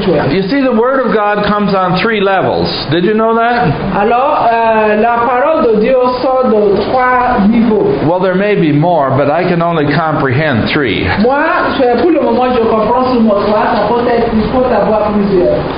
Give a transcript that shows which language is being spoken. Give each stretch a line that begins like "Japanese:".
English: you see, the Word of God comes on three levels. Did you know that?
French: Alors, la parole de Dieu sort de trois niveaux.
English: Well, there may be more, but I can only comprehend three.
French: Moi, pour le moment, je comprends seulement trois. Ça peut être, il faut avoir plusieurs.